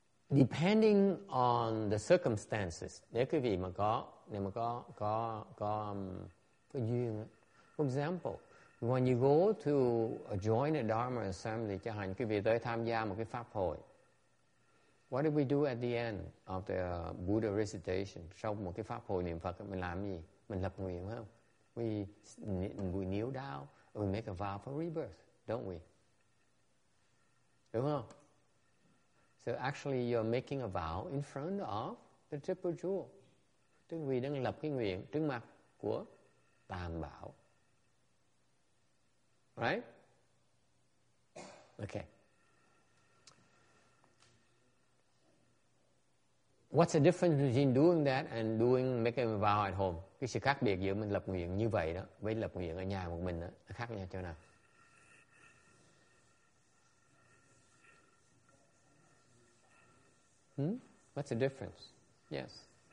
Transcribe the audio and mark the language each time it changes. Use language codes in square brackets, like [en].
[en] Depending on the circumstances, [vi] nếu quý vị mà có duyên, [en] for example. When you go to join a Dharma assembly, [vi] chẳng hạn quý vị tới tham gia một cái pháp hội. [en] What do we do at the end of the Buddha recitation? [vi] Sau một cái pháp hội niệm Phật, mình làm gì? Mình lập nguyện, không? [en] We kneel down, we make a vow for rebirth, don't we? [vi] Đúng không? [en] So actually, you're making a vow in front of The triple jewel. [vi] Tức vì đang lập cái nguyện trước mặt của Tam Bảo. [en] Right? Okay. What's the difference between doing that and doing making a vow at home? [vi] Cái sự khác biệt giữa mình lập nguyện như vậy đó với lập nguyện ở nhà một mình đó, nó khác nhau chỗ nào? [en] What's the difference? Yes.